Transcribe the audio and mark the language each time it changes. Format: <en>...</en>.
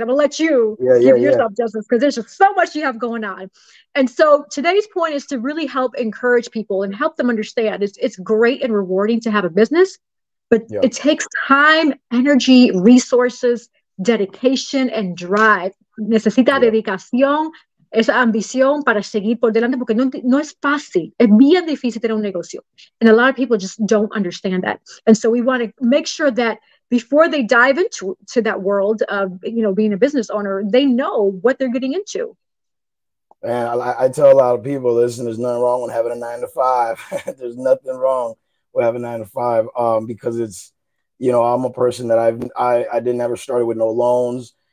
<en>I'm going to let you give yourself justice because there's just so much you have going on. And so today's point is to really help encourage people and help them understand it's great and rewarding to have a business, but it takes time, energy, resources, dedication and drive.</en> <es>Necesita dedicación, esa ambición para seguir por delante, porque no es fácil. Es bien difícil tener un negocio.</es> <en>And a lot of people just don't understand that. And so we want to make sure that before they dive into that world of, you know, being a business owner, they know what they're getting into. Man, I tell a lot of people, listen, there's nothing wrong with having a 9-to-5. There's nothing wrong with having a 9-to-5 because it's, you know, I'm a person that I didn't ever start with no loans.</en>